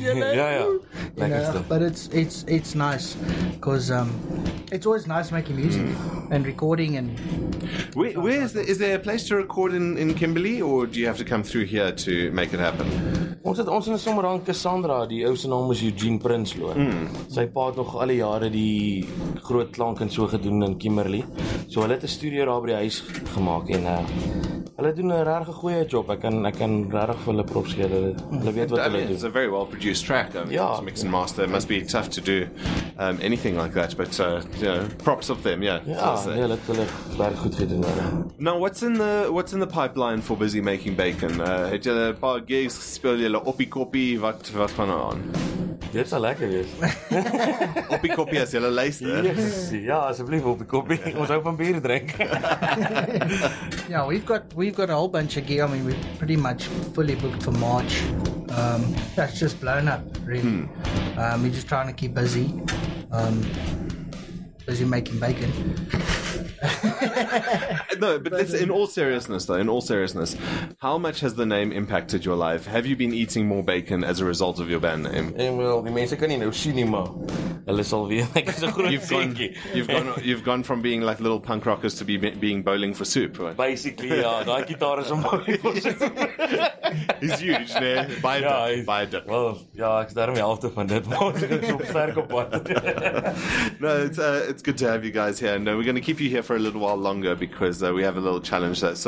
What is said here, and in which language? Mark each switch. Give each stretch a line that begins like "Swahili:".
English: Yeah, yeah. But it's nice because it's always nice making music and recording and... Is there a place to record in Kimberley, or do you have to come through here to make it happen?
Afrikaans: Ons is sommer aan Cassandra, die ouse naam is Eugene Prinsloo. Sy pa het nog al die jare die groot klank en so gedoen in Kimberley. So hulle het 'n studio daar by die huis gemaak en hulle doen 'n regtig goeie job. Ek kan regtig vir hulle props gee. Hulle weet wat hulle doen.
English: It's a very well produced track. It's mix and master. It must be tough to do anything like that, but props of them, yeah.
Afrikaans: Ja, hulle het reg goed gedoen.
English: Now, what's in the pipeline for Busy Making Bacon?
Afrikaans: Het jy 'n paar gigs gespeel? Jylle oppie-koppie, wat van nou aan? Dit sal lekker wees. Oppie-koppie as jylle luister. Yes, ja, asjeblief oppie-koppie. Ons hou van bier drink.
English: Yeah, we've got a whole bunch of gear. I mean, we're pretty much fully booked for March. That's just blown up, really. We're just trying to keep busy. Busy making bacon. No, but listen, in all seriousness, how much has the name impacted your life? Have you been eating more bacon as a result of your band name?
Afrikaans: Well, die mense kan nie nou sien nie, maar hulle sal weer, ek is 'n groot seentjie.
English: You've gone from being like little punk rockers to being bowling for soup, right?
Afrikaans: Basically, ja, daai gitaar is om bowling for soup.
English: He's huge, né? By the.
Afrikaans: Well, ja, ek is daarom die helfte van dit, maar ons is op sterk op pad.
English: No, it's good to have you guys here. No, we're going to keep you here for a little while longer because we have a little challenge there.